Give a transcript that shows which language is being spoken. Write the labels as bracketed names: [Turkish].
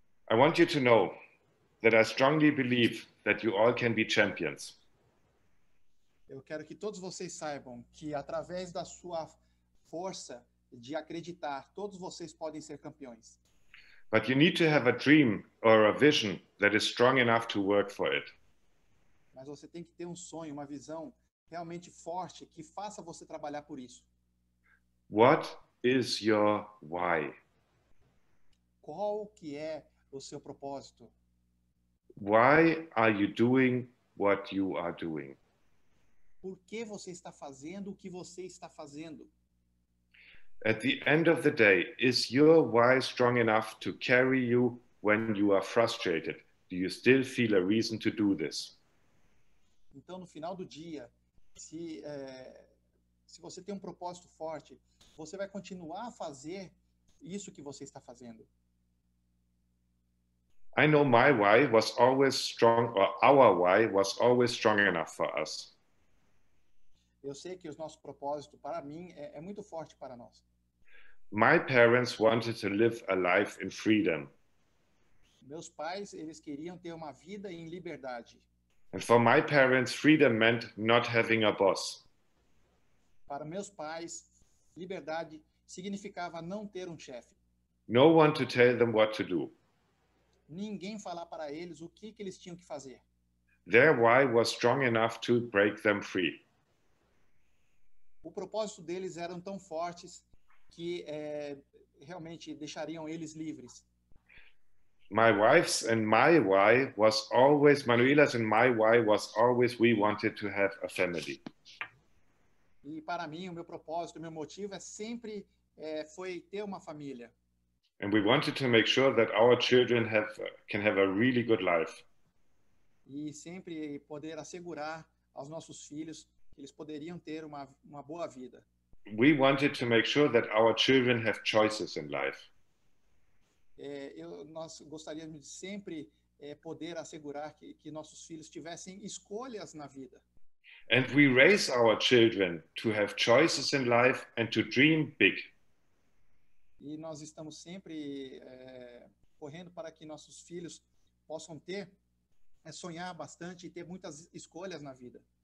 [English] I want you to know that I strongly believe that you all can be champions. [Portuguese] Eu quero que todos vocês saibam que através da sua força de acreditar, todos vocês podem ser campeões. [English] But you need to have a dream or a vision that is strong enough to work for it. [Portuguese] Mas você tem que ter um sonho, uma visão realmente forte que faça você trabalhar por isso. [English] What is your why? [Portuguese] Qual que é o seu propósito? [English] Why are you doing what you are doing? [Portuguese] Por que você está fazendo o que você está fazendo? [English] At the end of the day, is your why strong enough to carry you when you are frustrated? Do you still feel a reason to do this? [Portuguese] Então, no final do dia, se você tem um propósito forte, você vai continuar a fazer isso que você está fazendo. [English] I know my why was always strong, or our why was always strong enough for us. [Portuguese] Eu sei que o nosso propósito, para mim, é muito forte para nós. [English] My parents wanted to live a life in freedom. [Portuguese] Meus pais, eles queriam ter uma vida em liberdade. [English] And for my parents, freedom meant not having a boss. [Portuguese] Para meus pais, liberdade significava não ter um chefe. [English] No one to tell them what to do. [Portuguese] Ninguém falar para eles o que eles tinham que fazer. [English] Their why was strong enough to break them free. [Portuguese] O propósito deles eram tão fortes que realmente deixariam eles livres. [English] My wife's and my why was always, Manuela's and my why was always we wanted to have a family. [Portuguese] E para mim, o meu propósito, o meu motivo é sempre foi ter uma família. [English] And we wanted to make sure that our children can have a really good life. [Portuguese] E sempre poder assegurar aos nossos filhos que eles poderiam ter uma boa vida. [English] We wanted to make sure that our children have choices in life. [Portuguese] Nós gostaríamos de sempre poder assegurar que nossos filhos tivessem escolhas na vida. [English] And we raise our children to have choices in life and to dream big. [Portuguese] E nós estamos sempre correndo para que nossos filhos possam ter, sonhar bastante e ter muitas escolhas na vida.